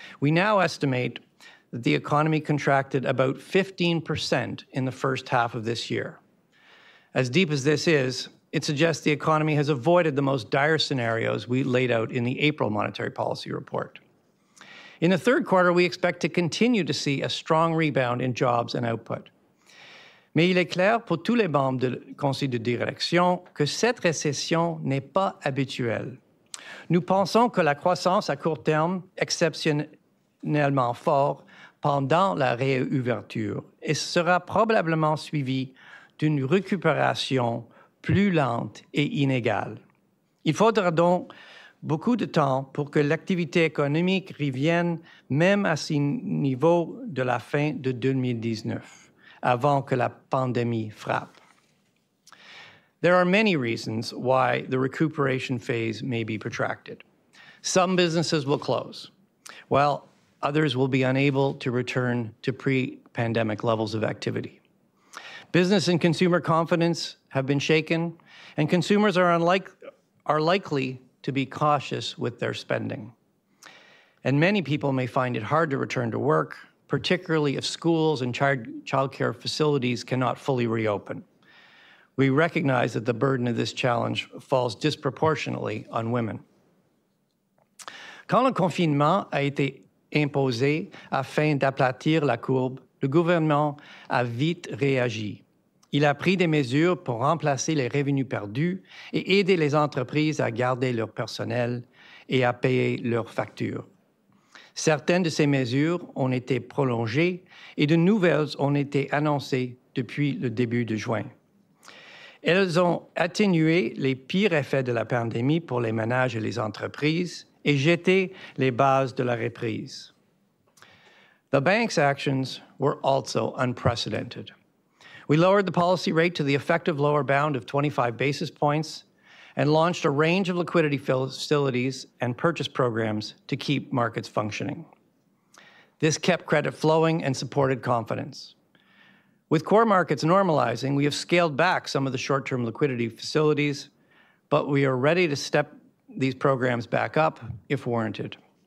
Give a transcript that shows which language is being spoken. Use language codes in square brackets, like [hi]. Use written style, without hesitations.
[en] We now estimate that the economy contracted about 15% in the first half of this year. As deep as this is, it suggests the economy has avoided the most dire scenarios we laid out in the April monetary policy report. In the third quarter, we expect to continue to see a strong rebound in jobs and output. [fr] Mais il est clair pour tous les membres du conseil de direction que cette récession n'est pas habituelle. Nous pensons que la croissance à court terme, exceptionnellement fort pendant la réouverture, et sera probablement suivie d'une récupération plus lente et inégale. Il faudra donc beaucoup de temps pour que l'activité économique revienne même à ce niveau de la fin de 2019, avant que la pandémie frappe. [en] There are many reasons why the recuperation phase may be protracted. Some businesses will close, while others will be unable to return to pre-pandemic levels of activity. Business and consumer confidence have been shaken, and consumers are likely to be cautious with their spending. And many people may find it hard to return to work, particularly if schools and childcare facilities cannot fully reopen. We recognize that the burden of this challenge falls disproportionately on women. [fr] Quand le confinement a été imposé afin d'aplatir la courbe, le gouvernement a vite réagi. Il a pris des mesures pour remplacer les revenus perdus et aider les entreprises à garder leur personnel et à payer leurs factures. Certaines de ces mesures ont été prolongées et de nouvelles ont été annoncées depuis le début de juin. Elles ont atténué les pires effets de la pandémie pour les ménages et les entreprises et jeté les bases de la reprise. [en] The bank's actions were also unprecedented. We lowered the policy rate to the effective lower bound of 25 basis points and launched a range of liquidity facilities and purchase programs to keep markets functioning. This kept credit flowing and supported confidence. With core markets normalizing, we have scaled back some of the short-term liquidity facilities, but we are ready to step these programs back up if warranted.